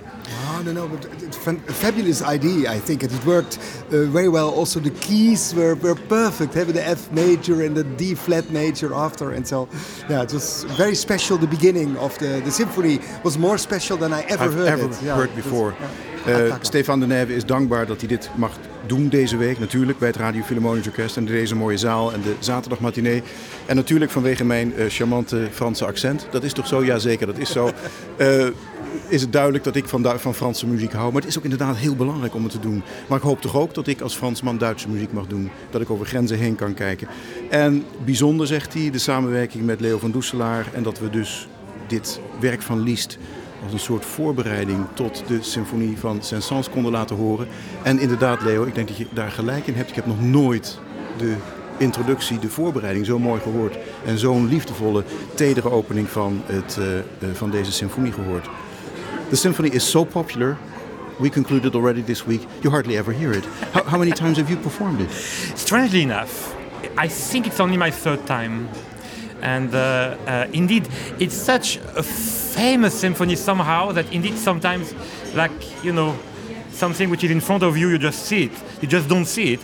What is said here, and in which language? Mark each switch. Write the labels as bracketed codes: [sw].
[en] Oh, no, but a fabulous idea, I think. It worked very well. Also, the keys were perfect, having the F major and the D flat major after. And so, yeah, it was very special. The beginning of the symphony was more special than I ever I've heard ever it. I've ever heard yeah, before. [nl] Stefan de Neve is dankbaar dat hij dit mag doen deze week. Natuurlijk bij het Radio Philharmonisch Orkest en deze mooie zaal en de zaterdagmatinee. En natuurlijk vanwege mijn charmante Franse accent. Dat is toch zo? Jazeker, dat is zo. Is het duidelijk dat ik van Franse muziek hou. Maar het is ook inderdaad heel belangrijk om het te doen. Maar ik hoop toch ook dat ik als Fransman Duitse muziek mag doen. Dat ik over grenzen heen kan kijken. En bijzonder, zegt hij, de samenwerking met Leo van Doeselaar. En dat we dus dit werk van Liszt als een soort voorbereiding tot de symfonie van Saint-Saëns konden laten horen. En inderdaad, Leo, ik denk dat je daar gelijk in hebt. Ik heb nog nooit de introductie, de voorbereiding, zo mooi gehoord. En zo'n liefdevolle, tedere opening van deze symfonie gehoord. [en] The symphony is so popular, we concluded already this week, you hardly ever hear it. How many times have you performed it? Strangely enough, I think it's only my third time. And indeed, it's such a famous symphony somehow that indeed sometimes, like, you know, something which is in front of you, you just see it. You just don't see it.